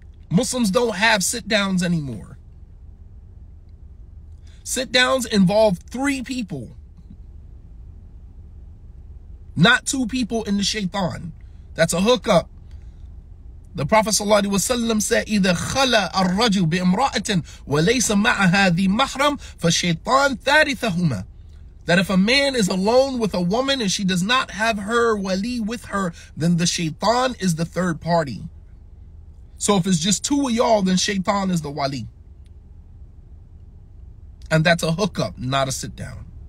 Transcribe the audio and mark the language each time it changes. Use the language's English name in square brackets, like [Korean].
[English] Muslims don't have sit-downs anymore. Sit-downs involve three people. Not two people in the shaitan. That's a hookup. The Prophet sallallahu alaihi wasallam said, [Arabic] إِذَا خَلَى الرَّجُ بِإِمْرَأَةٍ وَلَيْسَ مَعَهَا ذِي مَحْرَمْ فَشَيْطَانْ ثَارِثَهُمَا. [English] That if a man is alone with a woman and she does not have her wali with her, then the shaitan is the third party. So if it's just two of y'all, then shaitan is the wali. And that's a hookup, not a sit down.